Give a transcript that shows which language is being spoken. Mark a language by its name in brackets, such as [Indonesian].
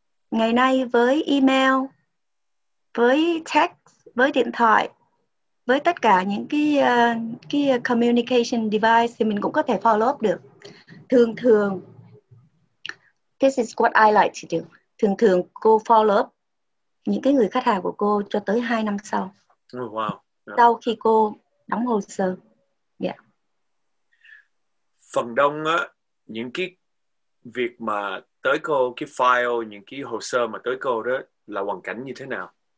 [Vietnamese] Ngày nay với email, với text, với điện thoại, với tất cả những cái communication device thì mình cũng có thể follow up được. Thường thường, [English] this is what I like to do. [Vietnamese] Thường thường cô follow up những cái người khách hàng của cô cho tới 2 năm sau. [English] Oh, wow. [Vietnamese] Yeah. Sau khi cô đóng hồ sơ. Yeah. Phần đông á, những cái việc mà tới cô, cái file, những cái hồ sơ mà tới cô đó là hoàn cảnh như thế nào?